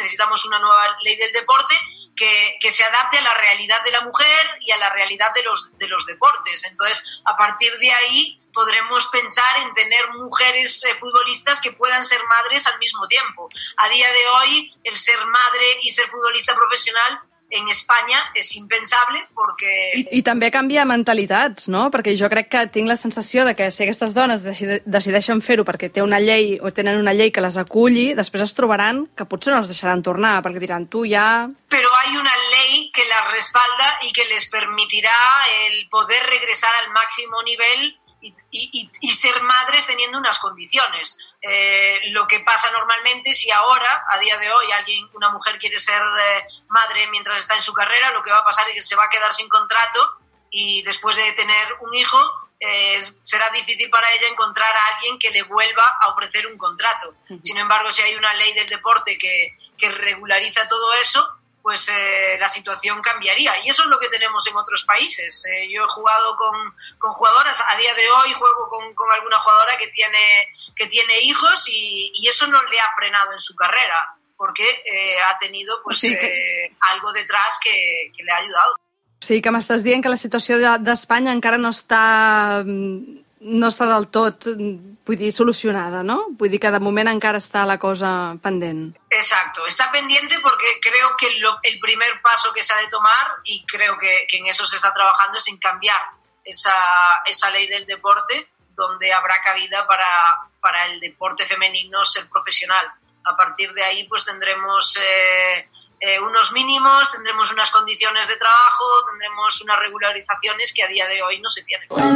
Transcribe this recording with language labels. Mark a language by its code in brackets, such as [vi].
[es] Necesitamos una nueva ley del deporte que se adapte a la realidad de la mujer y a la realidad de los deportes. Entonces, a partir de ahí podremos pensar en tener mujeres futbolistas que puedan ser madres al mismo tiempo. A día de hoy, el ser madre y ser futbolista profesional en España es impensable porque... [ca] I també canvia mentalitats, no? Perquè jo crec que tinc la sensació de que si aquestes dones decideixen fer-ho perquè té una llei o tenen una llei que les aculli, després es trobaran que potser no les deixaran tornar perquè diran, tu ja... Però hi ha una llei que les respalda i que les permetrà el poder regressar al màxim nivell [es] y ser madres teniendo unas condiciones. Lo que pasa normalmente, si ahora, a día de hoy, alguien, una mujer quiere ser madre mientras está en su carrera, lo que va a pasar es que se va a quedar sin contrato y después de tener un hijo será difícil para ella encontrar a alguien que le vuelva a ofrecer un contrato. Sin embargo, si hay una ley del deporte que regulariza todo eso, pues la situación cambiaría. Y eso es lo que tenemos en otros países. Yo he jugado con jugadoras, a día de hoy juego con alguna jugadora que tiene hijos y eso no le ha frenado en su carrera, porque ha tenido pues, sí, algo detrás que le ha ayudado. [ca] Sí, que m'estàs dient que la situació d'Espanya encara no està del tot, vull dir, solucionada, no? Vull dir que de moment encara està la cosa pendent. [es] Exacto, está pendiente porque creo que el primer paso que se ha de tomar, y creo que en eso se está trabajando, es en cambiar esa ley del deporte, donde habrá cabida para el deporte femenino ser profesional. A partir de ahí pues tendremos unos mínimos, tendremos unas condiciones de trabajo, tendremos unas regularizaciones que a día de hoy no se tienen.